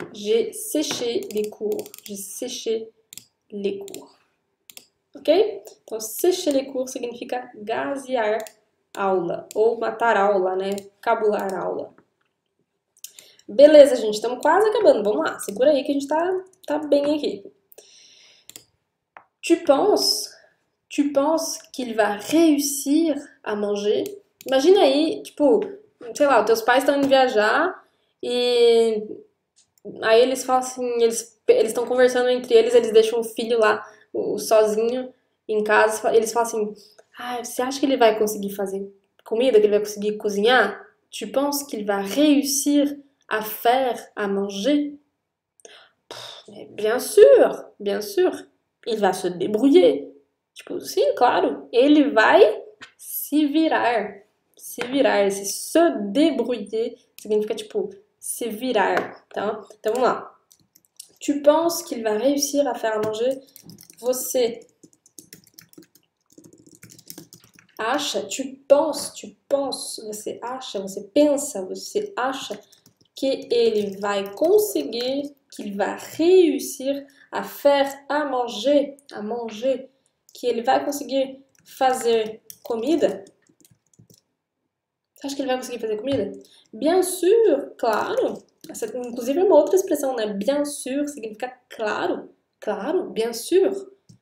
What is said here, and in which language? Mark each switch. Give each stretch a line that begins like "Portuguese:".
French: J'ai séché les cours. J'ai séché les cours. Ok?
Portuguese: Então,
French: séché les cours
Portuguese: significa gazear aula. Ou matar aula, né? Cabular aula. Beleza, gente. Estamos quase acabando. Vamos lá. Segura aí que a gente tá bem aqui.
French: Tu penses qu'il va réussir à manger?
Portuguese: Imagina aí, tipo. Sei lá, teus pais estão indo viajar e aí eles falam assim, eles estão conversando entre eles deixam o filho lá sozinho em casa, eles falam assim, ah, você acha que ele vai conseguir fazer comida, que ele vai conseguir cozinhar?
French: Tu penses qu'il va réussir à faire à manger? Bien sûr, il va se débrouiller.
Portuguese: Tipo, sim, claro, ele vai se virar. Se virar, esse se débrouiller significa tipo se virar, tá? Então vamos lá.
French: Tu penses qu'il va réussir à faire à manger?
Portuguese: Você acha? Você acha? Você pensa? Você acha que ele vai conseguir?
French: Qu'il va réussir à faire à manger? À manger?
Portuguese: Que ele vai conseguir fazer comida? Você acha que ele vai conseguir fazer comida? Bien sûr, claro. Essa, inclusive, é uma outra expressão, né? Bien sûr significa claro. Claro, bien sûr.